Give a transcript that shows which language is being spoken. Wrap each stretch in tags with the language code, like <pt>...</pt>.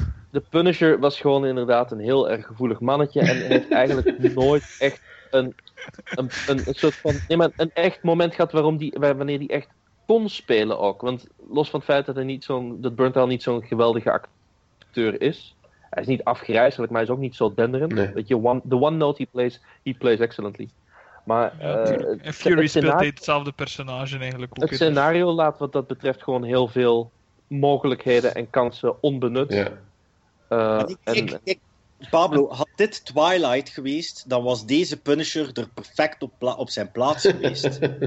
<nl>De Punisher was gewoon inderdaad een heel erg gevoelig mannetje en heeft eigenlijk nooit echt... Een soort van een echt moment gaat wanneer die echt kon spelen ook. Want los van het feit dat hij niet zo'n dat Bernthal niet zo'n geweldige acteur is, hij is niet afgrijzelijk, maar hij is ook niet zo denderend. Nee. Weet je,</nl> <en>the one note he plays excellently.</en> <nl>Maar Fury speelt hetzelfde personage eigenlijk. Het scenario laat wat dat betreft gewoon heel veel mogelijkheden en kansen onbenut.</nl> <en>Yeah.</en> <nl>En Pablo, had dit Twilight geweest, dan was deze Punisher er perfect op zijn plaats geweest.</nl>